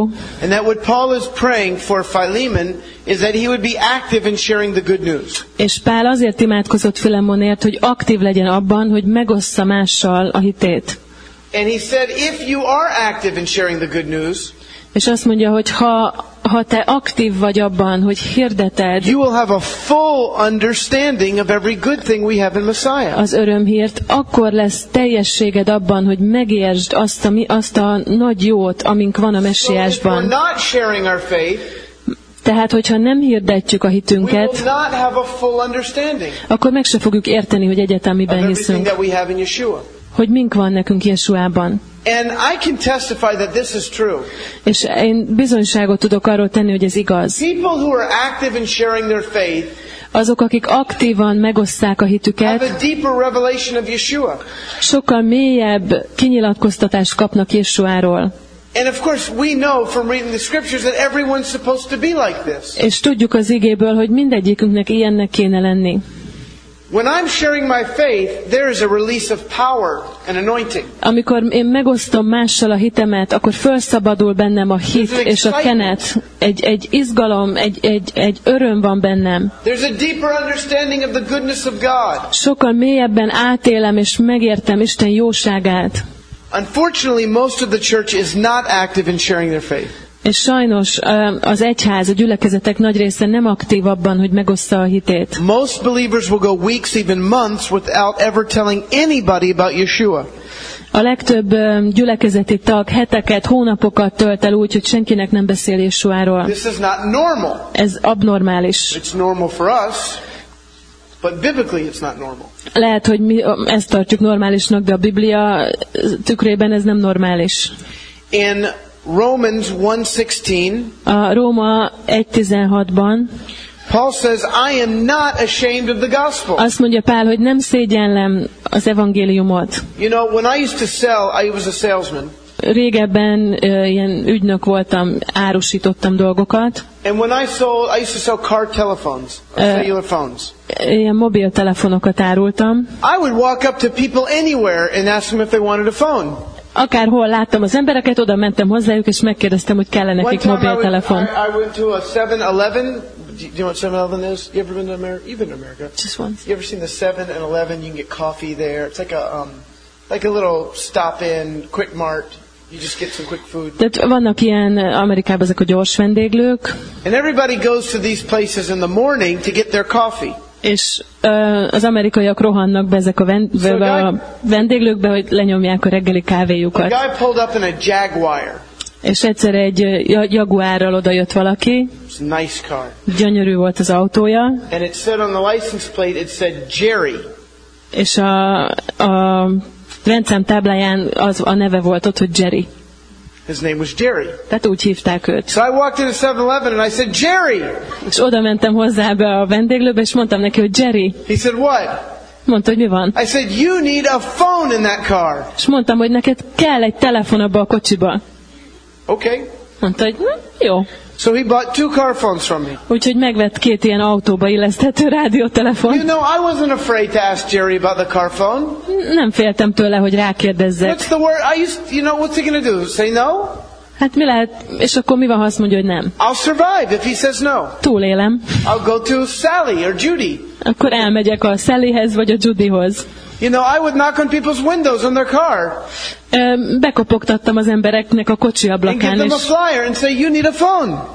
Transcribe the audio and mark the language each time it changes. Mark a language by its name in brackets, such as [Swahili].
[English] And that what Paul is praying for Philemon is that he would be active in sharing the good news. [Hungarian] És Pál azért imádkozott Filemonért, hogy aktív legyen abban, hogy megossza mással a hitét. [English] And he said, if you are active in sharing the good news, [Hungarian] és azt mondja, hogy ha te aktív vagy abban, hogy hirdeted, [English] you will have a full understanding of every good thing we have in Messiah. [Hungarian] Az örömhírt, akkor lesz teljességed abban, hogy megértsd azt a nagy jót, amink van a Messiásban. [English] So if we're not sharing our faith, [Hungarian] tehát, hogyha nem hirdetjük a hitünket, [English] we will not have a full understanding, [Hungarian] akkor meg se fogjuk érteni, hogy egyetem miben hiszünk. [English] That we have in Yeshua. [Hungarian] Hogy mink van nekünk Jesuában. [English] And I can testify that this is true. [Hungarian] És én bizonyságot tudok arról tenni, hogy ez igaz. [English] People who are active in sharing their faith, [Hungarian] azok, akik aktívan megosszák a hitüket, [English] have a deeper revelation of Yeshua. [Hungarian] Sokkal mélyebb kinyilatkoztatást kapnak Jesuáról. [English] And of course we know from reading the scriptures that everyone's supposed to be like this. [Hungarian] És tudjuk az igéből, hogy mindegyikünknek ilyennek kéne lenni. [English] When I'm sharing my faith, there is a release of power and anointing. [Hungarian] Amikor én megosztom mással a hitemet, akkor felszabadul bennem a hit és a kenet. Egy izgalom, egy öröm van bennem. [English] There's a deeper understanding of the goodness of God. [Hungarian] Sokkal mélyebben átélem és megértem Isten jóságát. [English] Unfortunately, most of the church is not active in sharing their faith. [Hungarian] És sajnos az egyház, a gyülekezetek nagy része nem aktív abban, hogy megoszta a hitét. [English] Most believers will go weeks, even months without ever telling anybody about Yeshua. [Hungarian] A legtöbb gyülekezeti tag heteket, hónapokat tölt el úgy, hogy senkinek nem beszél Yeshuáról. [English] This is not normal. [Hungarian] Ez abnormális. [English] It's normal for us. But biblically it's not normal. [Hungarian] Lehet, hogy mi ezt tartjuk normálisnak, de a Biblia tükrében ez nem normális. [English] In Romans 1:16, [Hungarian] a Róma 1:16-ban [English] Paul says, I am not ashamed of the gospel. [Hungarian] Azt mondja Pál, hogy nem szégyellem az evangéliumot. [English] You know, when I used to sell, I was a salesman. [Hungarian] Régebben ilyen ügynök voltam, árusítottam dolgokat. [English] And when I used to sell car telephones, cellular phones. [Hungarian] Ilyen mobiltelefonokat árultam. [English] I would walk up to people anywhere and ask them if they wanted a phone. [Hungarian] Akárhol láttam az embereket, oda mentem hozzájuk, és megkérdeztem, hogy kell-e nekik mobiltelefon. [English] I went to a 7-Eleven. Do you know what 7-Eleven is? You ever been to America? Even America? Just once. You ever seen the 7-Eleven? You can get coffee there. It's like a little stop-in, quick mart. You just get some quick food. [Hungarian] Tehát vannak ilyen Amerikában ezek a gyors vendéglők. [English] And everybody goes to these places in the morning to get their coffee. [Hungarian] És az amerikaiak rohannak be ezek a vendéglőkbe, hogy lenyomják a reggeli kávéjukat. [English] A guy pulled up in a Jaguar. [Hungarian] És egyszer egy Jaguárral odajött valaki. [English] It's a nice car. [Hungarian] Gyönyörű volt az autója. [English] And it said on the license plate, it said Jerry. [Hungarian] És a rendszám tábláján az a neve volt ott, hogy Jerry. [English] His name was Jerry. [Hungarian] Tehát úgy hívták őt. [English] So I walked into 7-Eleven and I said, Jerry! [Hungarian] És oda mentem hozzá be a vendéglőbe, és mondtam neki, hogy Jerry. [English] He said, what? [Hungarian] Mondta, hogy mi van. [English] I said, you need a phone in that car. [Hungarian] És mondtam, hogy neked kell egy telefon abba a kocsiba. [English] Okay. [Hungarian] Mondta, hogy jó. [English] So he bought two car phones from me. [Hungarian] Úgyhogy megvett két ilyen autóba illeszthető rádiótelefon. [English] You know, I wasn't afraid to ask Jerry about the car phone. [Hungarian] Nem féltem tőle, hogy rákérdezzek. [English] What's the word? I used, you know, what's he gonna do? Say no? [Hungarian] Hát mi lehet, és akkor mi van, ha azt mondja, hogy nem? [English] I'll survive if he says no. [Hungarian] Túlélem. [English] I'll go to Sally or Judy. [Hungarian] Akkor elmegyek a Sallyhez vagy a Judyhoz. [English] You know, I would knock on people's windows on their car. [Hungarian] Bekopogtattam az embereknek a kocsi ablakán, [English] and give them a flyer and say, you need a phone.